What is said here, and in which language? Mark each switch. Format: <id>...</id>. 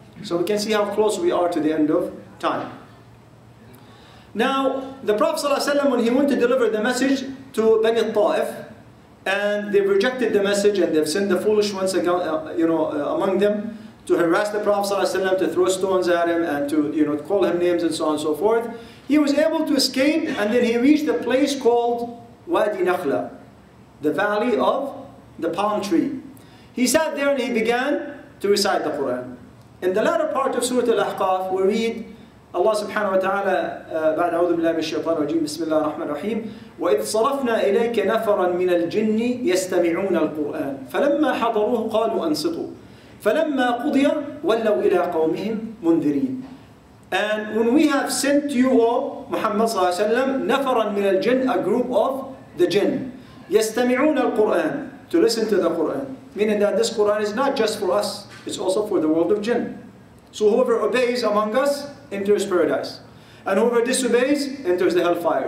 <en>So we can see how close we are to the end of time. Now, the Prophet sallallahu alayhi wa sallam, when he went to deliver the message to Bani Ta'if, and they've rejected the message and they've sent the foolish ones among them to harass the Prophet sallallahu alaihi wasallam, to throw stones at him and to, you know, call him names and so on and so forth, he was able to escape, and then he reached a place called Wadi Nakhla, the valley of the palm tree. He sat there and he began to recite the Quran. In the latter part of Surah Al-Ahqaf, we read Allah subhanahu wa ta'ala,</en> <ar>بعد أعوذ بالله من الشيطان الرجيم, بسم الله الرحمن الرحيم, وإذ صرفنا إليك نفرا من الجن يستمعون القرآن فلما حضروه قالوا أنصتوا فلما قضي ولوا إلى قومهم منذرين.</ar> <en>And when we have sent you all, Muhammad صلى الله عليه وسلم,</en> <ar>نفرا من الجن,</ar> <en>a group of the jinn,</en> <ar>يستمعون القرآن,</ar> <en>to listen to the Quran, meaning that this Quran is not just for us, it's also for the world of jinn. So whoever obeys among us enters paradise, and whoever disobeys enters the hellfire.</en>